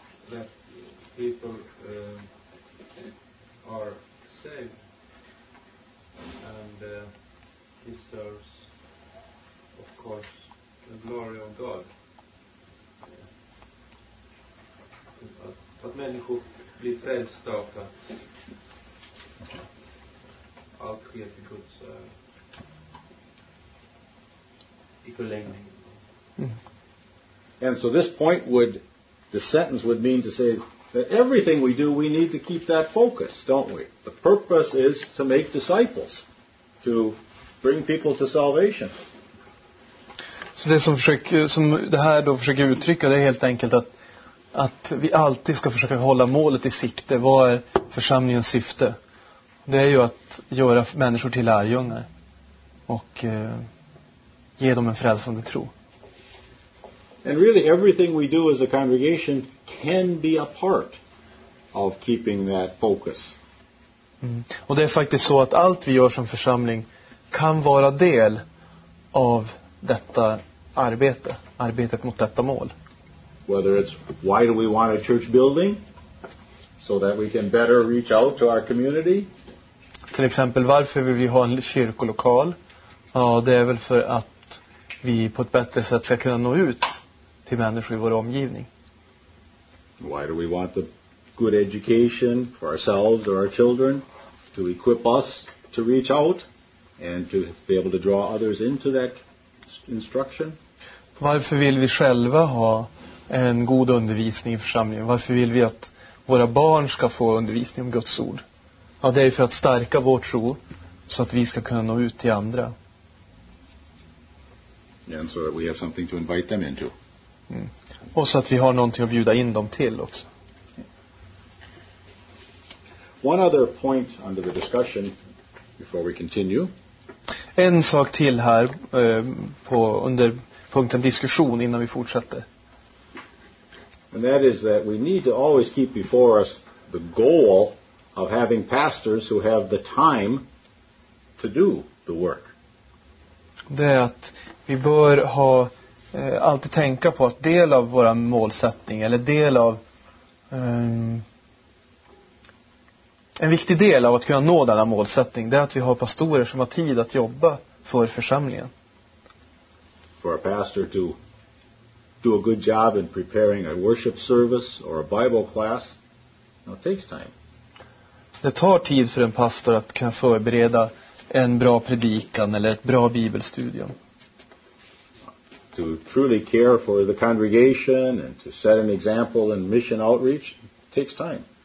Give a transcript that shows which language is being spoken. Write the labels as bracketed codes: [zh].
[en] That people are saved and deserves, of course, the glory of God. [sv] Att människor blir frälsta och att allt sker till Guds i förlängning. [en] And so this point would, the sentence would mean to say that everything we do, we need to keep that focus, don't we? The purpose is to make disciples, to bring people to salvation. [sv] Så det som det här då försöker uttrycka, det är helt enkelt att vi alltid ska försöka hålla målet i sikte. Vad är församlingens syfte? Det är ju att göra människor till lärjungar och ge dem en frälsande tro. [en] And really everything we do as a congregation can be a part of keeping that focus. [sv] Och det är faktiskt så att allt vi gör som församling kan vara del av detta arbetet mot detta mål. [en] Whether it's why do we want a church building so that we can better reach out to our community? [sv] Till exempel varför vill vi ha en kyrkolokal? Ja, det är väl för att vi på ett bättre sätt ska kunna nå ut till människor i vår omgivning. [en] Why do we want the good education for ourselves or our children to equip us to reach out and to be able to draw others into that instruction? [sv] Varför vill vi själva ha en god undervisning i församlingen? Varför vill vi att våra barn ska få undervisning om Guds ord? Ja, det är för att stärka vår tro så att vi ska kunna nå ut till andra. [en] And so that we have something to invite them into. [sv] Och så att vi har någonting att bjuda in dem till också. [en] One other point under the discussion before we continue. [sv] En sak till här under punkten diskussion innan vi fortsätter. [en] And that is that we need to always keep before us the goal of having pastors who have the time to do the work. [sv] Det är att vi bör ha alltid tänka på att del av våra målsättning eller del av en viktig del av att kunna nå denna målsättning, det är att vi har pastorer som har tid att jobba för församlingen. [en] For a pastor to do a good job in preparing a worship service or a Bible class, it takes time. [sv] Det tar tid för en pastor att kunna förbereda en bra predikan eller ett bra bibelstudium. [en] To truly care for the congregation and to set an example in mission outreach takes time.